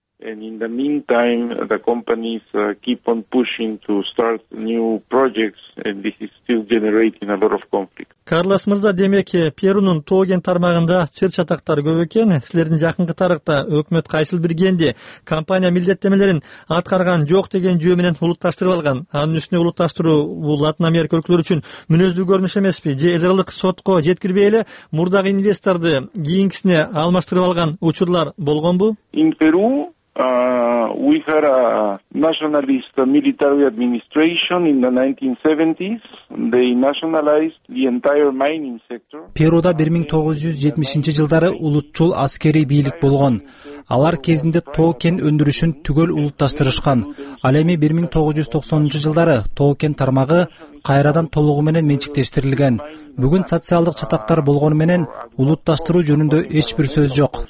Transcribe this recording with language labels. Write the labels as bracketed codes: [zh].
[en] And in the meantime, the companies keep on pushing to start new projects, and this is still generating a lot of conflict. [ky] Карлос мырза, демек, Перунун Тоо-кен тармагында чыр чатактар көп экен. Силердин жакынкы тарыхта өкмөт кайсыл бир кенди компания милдеттемелерин аткарган жок деген жөө менен улутташтырып алган. Анын үстүнө улутташтыруу бул Латын Америка өлкөлөрү үчүн мүнөздүү көрүнүш эмеспи? Же эл аралык сотко жеткирбей эле мурдагы инвесторду кийинкисине алмаштырып алган учурлар болгонбу? [en] In Peru, we had a nationalist military administration in the 1970s. They nationalized the entire mining sector. [ky] Перуда 1970-жылдары улутчул аскерий бийлик болгон. Алар кезинде Тоо-кен өндүрүшүн түгөл улутташтырышкан. Ал эми 1990-жылдары Тоо-кен тармагы кайрадан толугу менен менчиктештирилген. Бүгүн социалдык чатактар болгону менен улутташтыруу жөнүндө эч бир сөз жок.